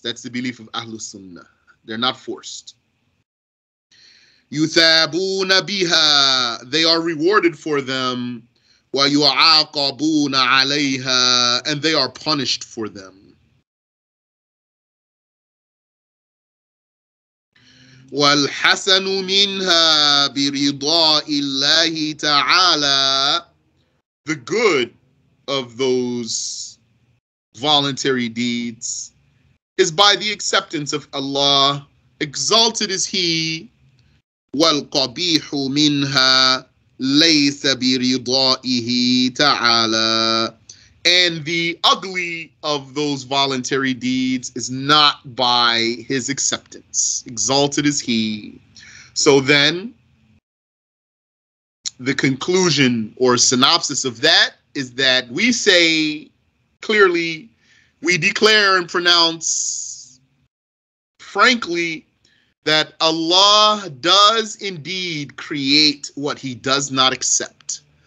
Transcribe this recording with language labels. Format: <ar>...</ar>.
<en>That's the belief of Ahlus Sunnah. They're not forced.</en> <ar>يُثَابُونَ بِهَا,</ar> <en>they are rewarded for them.</en> <ar>وَيُعَاقَبُونَ عَلَيْهَا,</ar> <en>and they are punished for them.</en> <ar>والحسن منها برضاء الله تعالى.</ar> <en>The good of those voluntary deeds is by the acceptance of Allah. Exalted is He.</en> <ar>والقبيح منها ليس برضائه تعالى.</ar> <en>And the ugly of those voluntary deeds is not by his acceptance. Exalted is he. So then, the conclusion or synopsis of that is that we say clearly, we declare and pronounce frankly that Allah does indeed create what he does not accept.</en>